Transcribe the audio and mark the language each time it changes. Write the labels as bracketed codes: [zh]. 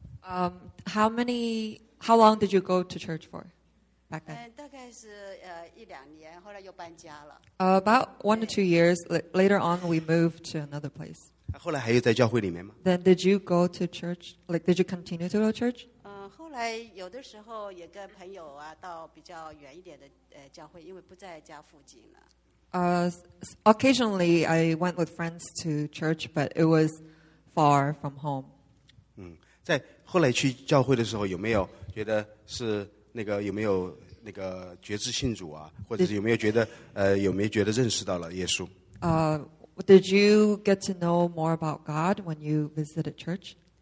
[en] How long did you go to church for? Back then. [zh] 大概是一两年，后来又搬家了。 [en] About 1 to 2 years later on, we moved to another place. [zh] 后来还有在教会里面吗？ [en] Then did you go to church? Like, did you continue to go to church? [zh] 后来有的时候也跟朋友啊到比较远一点的教会，因为不在家附近了。 [en] Occasionally, I went with friends to church, but it was far from home. [zh] 在后来去教会的时候，有没有觉得是那个有没有？那个觉知信主啊，或者是有没有觉得认识到了耶稣？ [en] Did you get to know more about God when you visited church?